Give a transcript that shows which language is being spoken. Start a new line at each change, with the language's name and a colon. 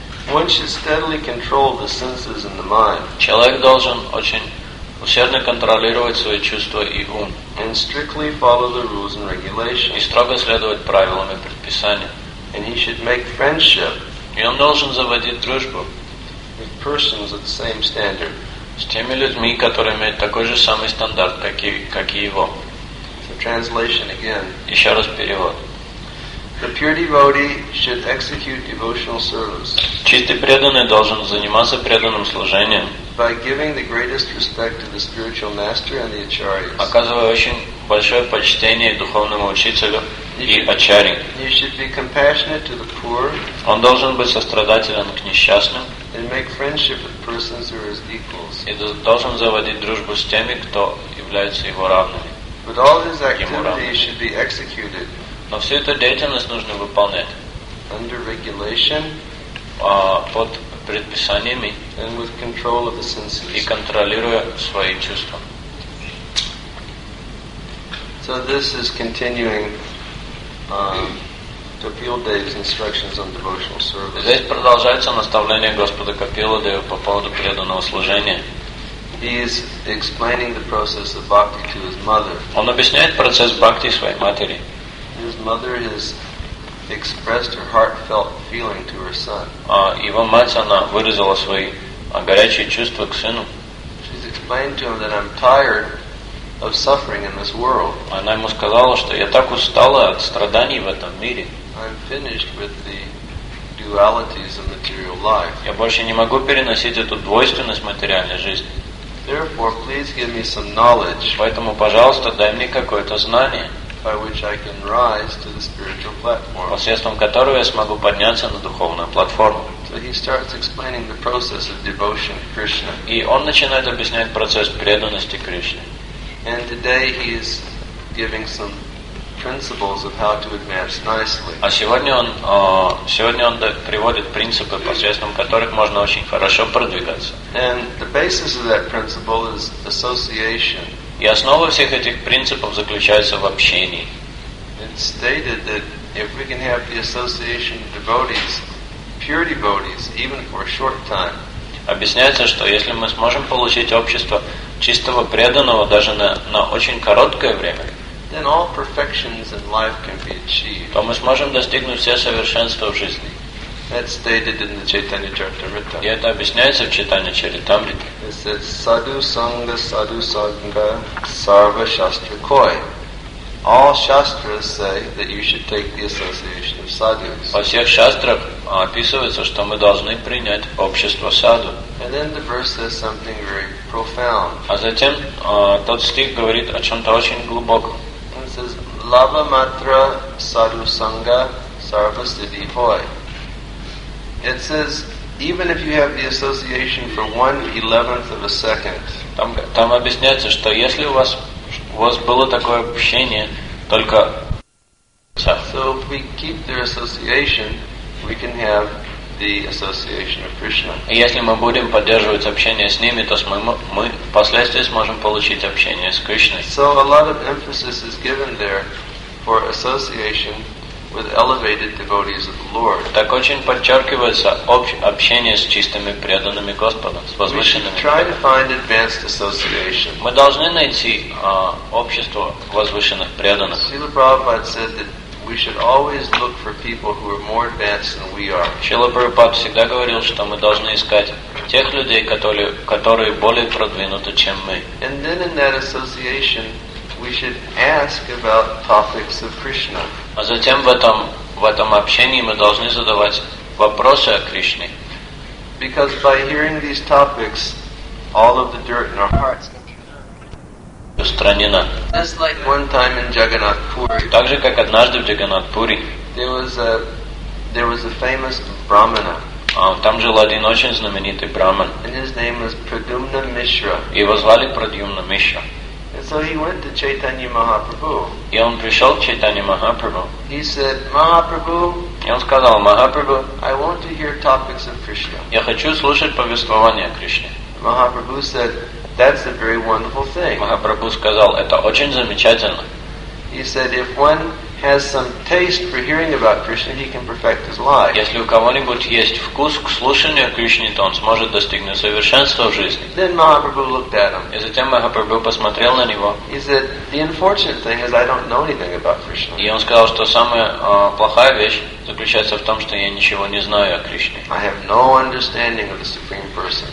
English: One should steadily control the senses and the mind.
Russian: Человек должен очень усердно контролировать свои чувства и ум.
English: And strictly follow the rules and regulations.
Russian: И строго следовать правилам и предписаниям.
English: And he should make friendship.
Russian: И он должен заводить дружбу.
English: With persons of the same standard.
Russian: С теми людьми, которые имеют такой же самый стандарт, как и его.
English: So translation again.
Russian: Еще раз перевод.
English: The pure devotee should execute devotional service.
Russian: Чистый преданный должен заниматься преданным служением.
English: By giving the greatest respect to the spiritual master and the acharyas.
Russian: Оказывая очень большое почтение духовному учителю и ачарьям.
English: He should be compassionate to the poor.
Russian: Он должен быть сострадателен к несчастным.
English: And make friendship with persons who are his equals.
Russian: И должен заводить дружбу с теми, кто является его равными.
English: But all his activities should be executed.
Russian: Но всю эту деятельность нужно выполнять
English: under regulation,
Russian: под предписаниями
English: and with control of the senses.
Russian: И контролируя свои чувства.
English: So this is continuing Kapiladeva's instructions on devotional service.
Russian: Здесь продолжается наставление Господа Капиладевы по поводу преданного служения.
English: He is explaining the process of bhakti to his mother.
Russian: Он объясняет процесс бхакти своей матери.
English: His mother has expressed her heartfelt feeling to her son.
Russian: Его мать, она выразила свои горячие чувства к сыну.
English: She's explained to him that I'm tired of suffering in this world.
Russian: Она ему сказала, что я так устала от страданий в этом мире.
English: I'm finished with the dualities of material life.
Russian: Я больше не могу переносить эту двойственность материальной жизни.
English: Therefore, please give me some knowledge.
Russian: Поэтому, пожалуйста, дай мне какое-то знание,
English: by which I can rise to the spiritual platform.
Russian: Посредством которого я смогу подняться на духовную платформу.
English: So he starts explaining the process of devotion to Krishna.
Russian: И он начинает объяснять процесс преданности Кришне.
English: And today he is giving some principles of how to advance nicely.
Russian: А сегодня он приводит принципы, посредством которых можно очень хорошо продвигаться.
English: And the basis of that principle is association.
Russian: И основа всех этих принципов заключается в общении.
English: It's stated that if we can have the association of devotees, pure devotees, even for a short time.
Russian: Объясняется, что если мы сможем получить общество чистого преданного даже на очень короткое время,
English: then all perfections in life can be achieved.
Russian: То мы сможем достигнуть все совершенства в жизни.
English: That's stated in the Chaitanya Charitamrita.
Russian: И это объясняется в Чайтанья Чаритамрите.
English: It says,
Bangla: sadhu sangha, sarva shastra koi.
English: All shastras say that you should take the association of sadhus.
Russian: Во всех шастрах описывается, что мы должны принять общество саду.
English: And then the verse says something very profound.
Russian: А затем тот стих говорит о чем-то очень глубоком.
English: It says,
Bangla: lava matra sadhu sangha, sarva siddhi hoy.
English: It says, even if you have the association for 1/11 of a second.
Russian: Там объясняется, что если у вас было такое общение, только.
English: So if we keep their association, we can have the association of Krishna.
Russian: И если мы будем поддерживать общение с ними, то мы впоследствии сможем получить общение с Кришной.
English: So a lot of emphasis is given there for association with elevated devotees of the Lord.
Russian: Так очень подчеркивается общение с чистыми преданными Господа, с возвышенными.
English: We should try to find advanced association.
Russian: Мы должны найти общество возвышенных преданных.
English: Srila Prabhupada said that we should always look for people who are more advanced than we are.
Russian: Srila Prabhupada всегда говорил, что мы должны искать тех людей, которые более продвинуты, чем мы.
English: And then in that association, we should ask about topics of Krishna.
Russian: А затем в этом общении мы должны задавать вопросы о Кришне.
English: Because by hearing these topics, all of the dirt in our hearts can be
Russian: устранена.
English: Just like one time in Jagannath Puri.
Russian: Так же как однажды в Джаганнат Пури.
English: There was a famous brahmana.
Russian: Там жил один очень знаменитый брахман.
English: And his name was Pradyumna Mishra.
Russian: Его звали Прадьюмна Мишра.
English: And so he went to Chaitanya Mahaprabhu.
Russian: И он пришел к Чайтанье Махапрабху.
English: He said, Mahaprabhu.
Russian: И он сказал, Махапрабху.
English: I want to hear topics of Krishna.
Russian: Я хочу слушать повествования о Кришне.
English: Mahaprabhu said, that's a very wonderful thing.
Russian: Махапрабху сказал, это очень замечательно.
English: He said, if one has some taste for hearing about Krishna, he can perfect his life.
Russian: Если у кого-нибудь есть вкус к слушанию о Кришне, то он сможет достигнуть совершенства в жизни.
English: Then Mahaprabhu looked at him.
Russian: И затем Махапрабху посмотрел на него.
English: He said, the unfortunate thing is I don't know anything about Krishna.
Russian: И он сказал, что самая плохая вещь заключается в том, что я ничего не знаю о Кришне.
English: I have no understanding of the Supreme Person.